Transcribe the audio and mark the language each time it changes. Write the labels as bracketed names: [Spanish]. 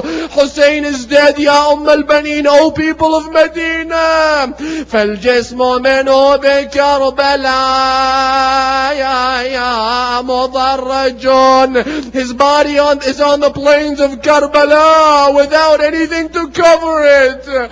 [English] حسين is dead يا أم البنين, O people of Medina. [Arabic] فالجسم منه بكربلا يا مضرج. [English] His body is on the plains of Karbala without anything to cover it.